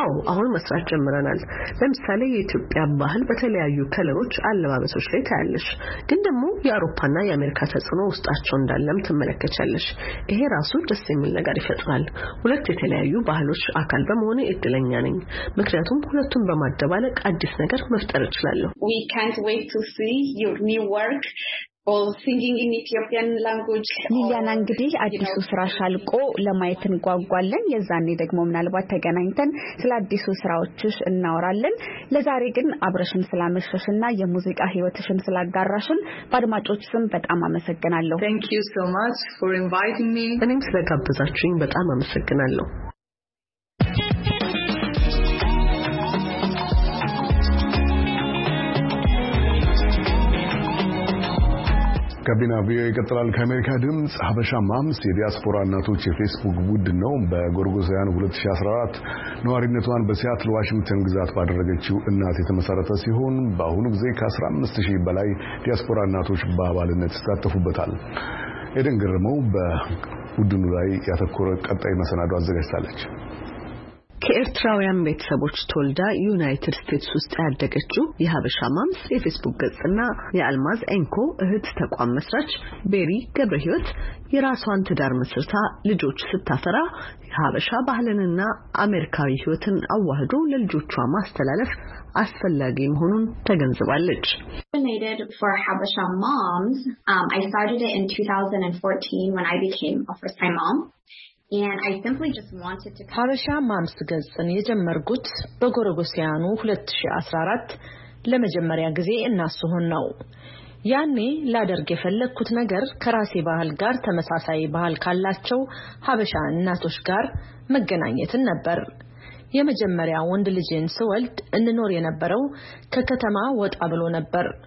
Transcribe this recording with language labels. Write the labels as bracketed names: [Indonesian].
[Amharic] አሁን መስራት ጀምረናል። ለምሳሌ የኢትዮጵያ ባህል በተለያዩ ከለሮች አለባበሶች ላይ ታያለሽ። ግን ደግሞ የአውሮፓና የአሜሪካ ተጽዕኖ ውስጣቸው እንዳለም ትመለከቻለሽ። ይሄ ራሱ ደስ የሚል ነገር ይፈጥራል። ሁለት የተለያዩ ባህሎች አካል በመሆን እድለኛ ነኝ፣ ምክንያቱም ሁለቱን በማደባለቅ አዲስ ነገር መፍጠር እችላለሁ። [English] We can't wait to see your new work. All singing in Ethiopian language. [Amharic] ሊሊያና እንግዲህ አዲሱ ስራሽ አልቆ ለማየት እንጓጓለን። የዛኔ ደግሞ ምናልባት ተገናኝተን ስለ አዲሱ ስራዎችሽ እናወራለን። ለዛሬ ግን አብረሽን ስላመሸሽና የሙዚቃ ህይወትሽን ስላጋራሽን በአድማጮች ስም በጣም አመሰግናለሁ። [English] Thank you so much for inviting me. [Amharic] እኔም ስለጋበዛችሁኝ በጣም አመሰግናለሁ። ካቢና ቪኦኤ ይቀጥላል። ከአሜሪካ ድምጽ ሀበሻ ማምስ የዲያስፖራ እናቶች የፌስቡክ ቡድን ነው። በጎርጎሳውያን 2014 ነዋሪነቷን በሲያትል ዋሽንግተን ግዛት ባደረገችው እናት የተመሰረተ ሲሆን በአሁኑ ጊዜ ከ15000 በላይ ዲያስፖራ እናቶች በአባልነት ተሳትፈውበታል። ኤደን ገረመው በቡድኑ ላይ ያተኮረ ቀጣይ መሰናዶ አዘጋጅታለች። ከኤርትራውያን ቤተሰቦች ተወልዳ ዩናይትድ ስቴትስ ውስጥ ያደገችው የሀበሻ ማምስ የፌስቡክ ገጽና የአልማዝ ኤንኮ እህት ተቋም መስራች ቤሪ ገብረህይወት የራሷን ትዳር መስርታ ልጆች ስታፈራ የሀበሻ ባህልንና አሜሪካዊ ህይወትን አዋህዶ ለልጆቿ ማስተላለፍ አስፈላጊ መሆኑን ተገንዝባለች። [English] Donated for Habesha Moms. I started it in 2014 when I became a first-time mom. And I simply just wanted to [Amharic] Habesha Moms ገጽን የጀመርኩት በጎረጎሲያኑ 2014 ለመጀመሪያ ጊዜ እናስሆን ነው። ያኔ ላደርግ የፈለኩት ነገር ከራሴ ባህል ጋር ተመሳሳይ ባህል ካላቸው ሀበሻ እናቶች ጋር መገናኘት ነበር። የመጀመሪያ ወንድ ልጅን ስወልድ እንኖር የነበረው ከከተማ ወጣ ብሎ ነበር።